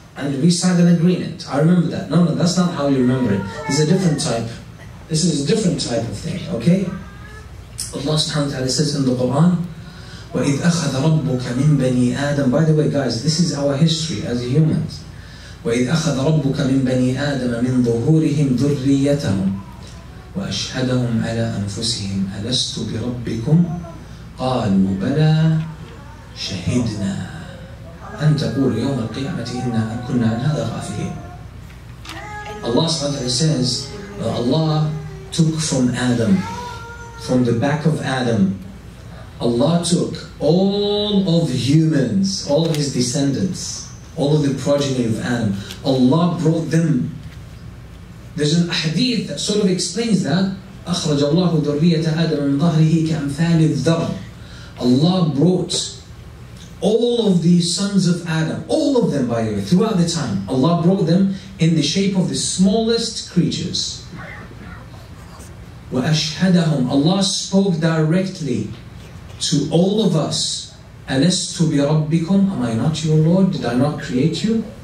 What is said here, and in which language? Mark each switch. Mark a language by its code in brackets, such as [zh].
[en] And we signed an agreement. I remember that. No, that's not how you remember it. This is a different type. This is a different type of thing, okay? Allah subhanahu wa ta'ala says in the Quran, [ar] وَإِذْ أَخَذَ رَبُّكَ مِنْ بَنِي آدَمَ [en] By the way, guys, this is our history as humans. [ar] وَإِذْ أَخَذَ رَبُّكَ مِنْ بَنِي آدَمَ مِنْ ظُهُورِهِمْ ذُرِّيَّتَهُمْ وَأَشْهَدَهُمْ عَلَىٰ أَنفُسِهِمْ أَلَسْتُ بِرَبِّكُمْ قَالُوا بَلَىٰ شَهِدْنَا أن تقول يوم القيامة إنا كنا عن هذا غافلين. [en] Allah subhanahu wa ta'ala says, Allah took from Adam, from the back of Adam, Allah took all of humans, all of his descendants, all of the progeny of Adam. Allah brought them. There's an hadith that sort of explains that. [ar] أخرج الله ذرية آدم من ظهره كأمثال الذر. [en] Allah brought all of the sons of Adam, all of them by the way, throughout the time, Allah brought them in the shape of the smallest creatures. [ar] وَأَشْهَدَهُمْ [en] Allah spoke directly to all of us. [ar] أَلَسْتُ بِرَبِّكُمْ [en] Am I not your Lord? Did I not create you?